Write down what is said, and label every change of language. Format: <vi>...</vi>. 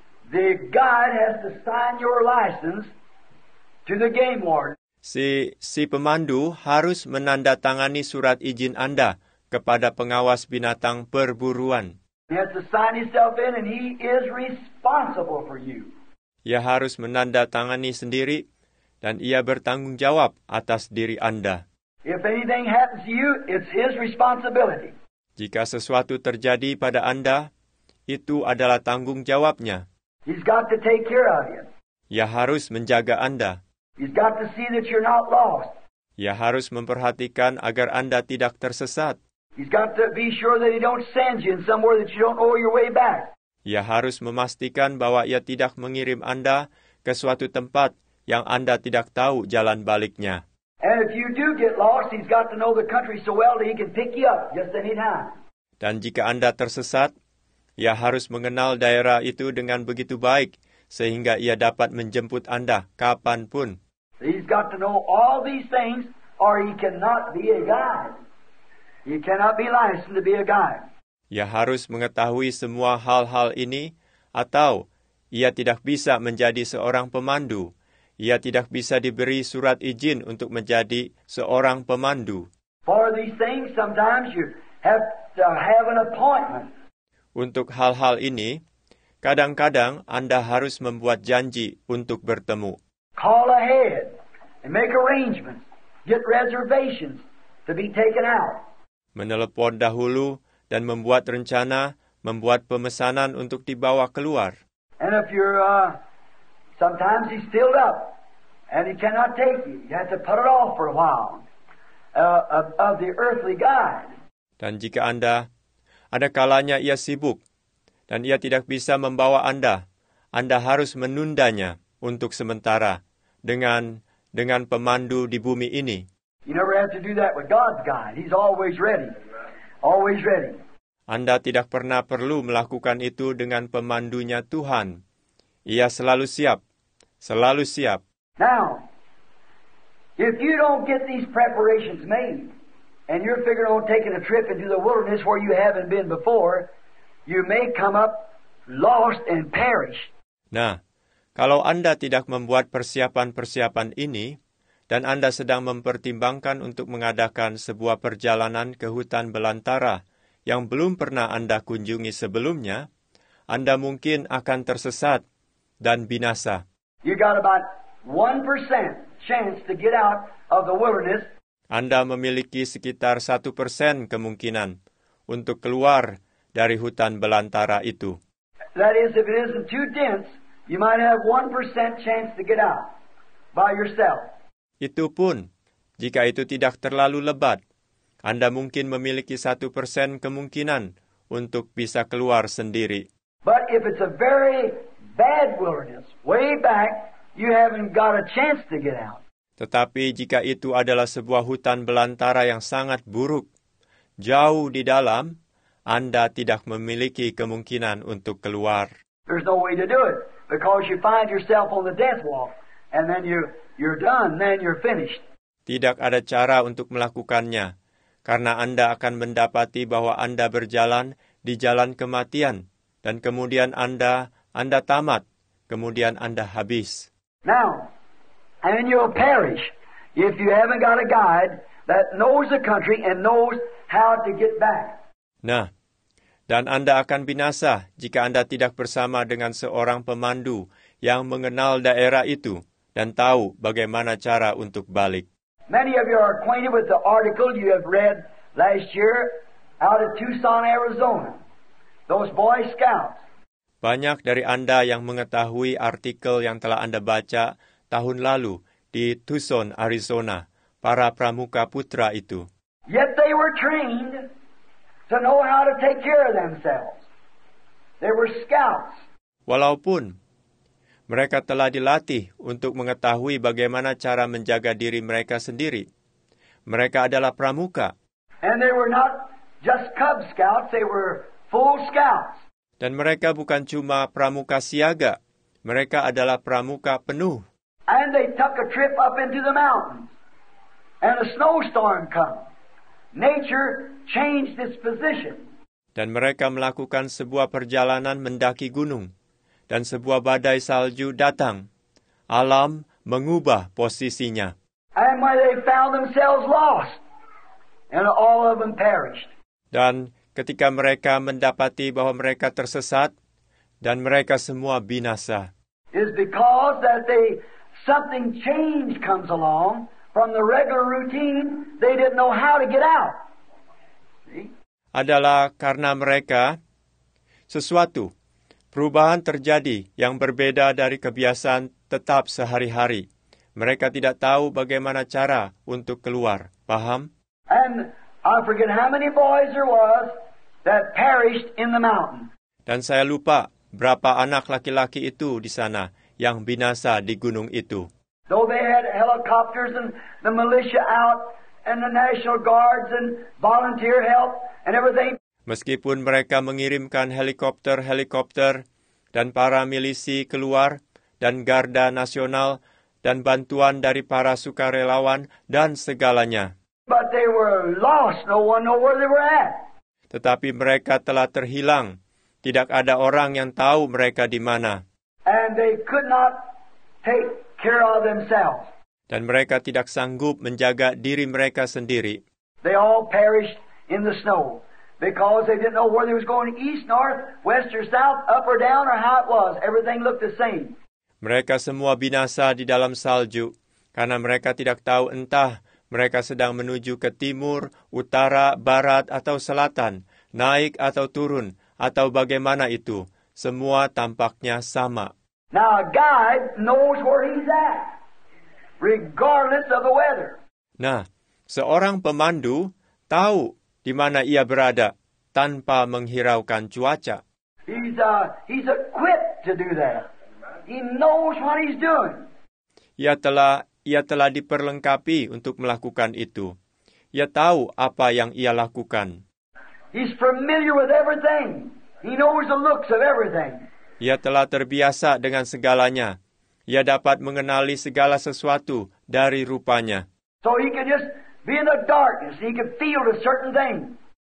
<en>The guide has to sign your license to the game warden.</en> <id>Si pemandu harus menandatangani surat izin Anda kepada pengawas binatang perburuan.</id> <en>He has to sign himself in and he is responsible for you.</en> <id>Ia harus menandatangani sendiri dan ia bertanggung jawab atas diri Anda.</id> <en>If anything happens to you, it's his responsibility.</en> <id>Jika sesuatu terjadi pada Anda, itu adalah tanggung jawabnya.</id> <en>He's got to take care of you.</en> <id>Ia harus menjaga Anda.</id> <en>He's got to see that you're not lost.</en> <id>Ia harus memperhatikan agar Anda tidak tersesat.</id> <en>He's got to be sure that he don't send you in somewhere that you don't owe your way back.</en> <id>Ia harus memastikan bahwa ia tidak mengirim Anda ke suatu tempat yang Anda tidak tahu jalan baliknya.</id> <en>And if you do get lost, he's got to know the country so well that he can pick you up just anytime.</en> <id>Dan jika Anda tersesat, ia harus mengenal daerah itu dengan begitu baik sehingga ia dapat menjemput Anda kapanpun.</id> <en>He's got to know all these things or he cannot be a guide. He cannot be licensed to be a guide.</en> <id>Ia harus mengetahui semua hal-hal ini atau ia tidak bisa menjadi seorang pemandu. Ia tidak bisa diberi surat izin untuk menjadi seorang pemandu.</id> <en>For these things, sometimes you have to have an appointment.</en> <id>Untuk hal-hal ini, kadang-kadang Anda harus membuat janji untuk bertemu.</id> <en>Call ahead and make arrangements. Get reservations to be taken out.</en> <id>Menelepon dahulu dan membuat rencana, membuat pemesanan untuk dibawa keluar.</id> <en>And if you're sometimes he's filled up and he cannot take you. You have to put it off for a while. Of the earthly guide.</en> <id>Dan jika Anda ada kalanya ia sibuk dan ia tidak bisa membawa Anda, Anda harus menundanya untuk sementara dengan pemandu di bumi ini.</id> <en>You never have to do that with God's guide. He's always ready. Always ready.</en> <id>Anda tidak pernah perlu melakukan itu dengan pemandunya Tuhan. Ia selalu siap. Selalu siap.</id> <en>Now, if you don't get these preparations made, and you're figuring on taking a trip into the wilderness where you haven't been before, you may come up lost and perish.</en> <id>Nah, kalau Anda tidak membuat persiapan-persiapan ini, dan Anda sedang mempertimbangkan untuk mengadakan sebuah perjalanan ke hutan belantara yang belum pernah Anda kunjungi sebelumnya, Anda mungkin akan tersesat dan binasa.</id> <en>You got about 1% chance to get out of the wilderness.</en> <id>Anda memiliki sekitar 1% kemungkinan untuk keluar dari hutan belantara itu.</id> <en>That is, if it isn't too dense, you might have 1% chance to get out by yourself.</en> <id>Itu pun, jika itu tidak terlalu lebat, Anda mungkin memiliki 1% kemungkinan untuk bisa keluar sendiri.</id> <en>But if it's a very bad wilderness, way back, you haven't got a chance to get out.</en> <id>Tetapi jika itu adalah sebuah hutan belantara yang sangat buruk, jauh di dalam, Anda tidak memiliki kemungkinan untuk keluar.</id> <en>There's no way to do it, because you find yourself on the death wall, and then you're done, then you're finished.</en> <id>Tidak ada cara untuk melakukannya, karena Anda akan mendapati bahwa Anda berjalan di jalan kematian, dan kemudian Anda tamat, kemudian Anda habis.</id> <en>Now, and you'll perish if you haven't got a guide that knows the country and knows how to get back.</en> <id>Nah, dan Anda akan binasa jika Anda tidak bersama dengan seorang pemandu yang mengenal daerah itu dan tahu bagaimana cara untuk balik.</id> <en>Many of you are acquainted with the article you have read last year out of Tucson, Arizona. Those Boy Scouts.</en> <id>Banyak dari Anda yang mengetahui artikel yang telah Anda baca tahun lalu di Tucson, Arizona, para pramuka putra itu.</id> <en>Yet they were trained to know how to take care of themselves. They were scouts.</en> <id>Walaupun mereka telah dilatih untuk mengetahui bagaimana cara menjaga diri mereka sendiri. Mereka adalah pramuka.</id> <en>And they were not just Cub Scouts, they were full scouts.</en> <id>Dan mereka bukan cuma pramuka siaga. Mereka adalah pramuka penuh.</id> <en>And they took a trip up into the mountains. And a snowstorm came. Nature changed its position.</en> <id>Dan mereka melakukan sebuah perjalanan mendaki gunung. Dan sebuah badai salju datang. Alam mengubah posisinya.</id> <en>And when they found themselves lost, and all of them perished.</en> <id>Dan ketika mereka mendapati bahwa mereka tersesat, dan mereka semua binasa.</id> <en>It's because that they something change comes along from the regular routine, they didn't know how to get out.</en> <id>Adalah karena mereka sesuatu perubahan terjadi yang berbeda dari kebiasaan tetap sehari-hari. Mereka tidak tahu bagaimana cara untuk keluar. Paham?</id> <en>And I forget how many boys there was that perished in the mountain.</en> <id>Dan saya lupa berapa anak laki-laki itu di sana yang binasa di gunung itu.</id> <en>Though they had helicopters and the militia out and the National Guards and volunteer help and everything.</en> <id>Meskipun mereka mengirimkan helikopter-helikopter dan para milisi keluar dan garda nasional dan bantuan dari para sukarelawan dan segalanya.</id> <en>But they were lost. No one knew where they were at.</en> <id>Tetapi mereka telah terhilang. Tidak ada orang yang tahu mereka di mana.</id> <en>And they could not take care of themselves.</en> <id>Dan mereka tidak sanggup menjaga diri mereka sendiri.</id> <en>They all perished in the snow. Because they didn't know where they was going, east, north, west or south, up or down or how it was. Everything looked the same.</en> <id>Mereka semua binasa di dalam salju karena mereka tidak tahu entah mereka sedang menuju ke timur, utara, barat atau selatan, naik atau turun atau bagaimana itu. Semua tampaknya sama.</id> <en>Now a guide knows where he's at, regardless of the weather.</en> <id>Nah, seorang pemandu tahu di mana ia berada tanpa menghiraukan cuaca.</id> <en>He's equipped to do that. He knows what he's doing.</en> <id>Ia telah diperlengkapi untuk melakukan itu. Ia tahu apa yang ia lakukan.</id> <en>He's familiar with everything. He knows the looks of everything.</en> <id>Ia telah terbiasa dengan segalanya. Ia dapat mengenali segala sesuatu dari rupanya.</id> <en>So he can just be in the darkness. He can feel a certain thing.</en>